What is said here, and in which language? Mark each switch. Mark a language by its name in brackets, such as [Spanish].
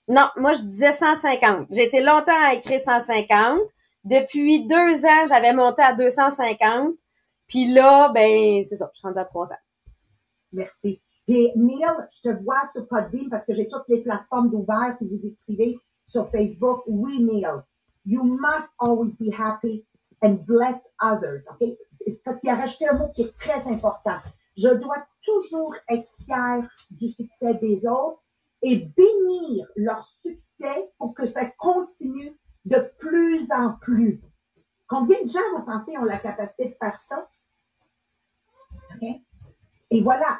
[French] Non, moi, je disais 150. J'ai été longtemps à écrire 150. Depuis 2 ans, j'avais monté à 250. Puis là, ben, c'est ça, je suis rendue à 300. Merci. Et Neil, je te vois sur Podbean parce que j'ai toutes les plateformes d'ouvert si vous écrivez sur Facebook. [English] Oui, Neil, you must always be happy and bless others. OK? [French] Parce qu'il a rajouté un mot qui est très important. Je dois toujours être fière du succès des autres et bénir leur succès pour que ça continue de plus en plus. Combien de gens, vous pensez, ont la capacité de faire ça? OK? Et voilà.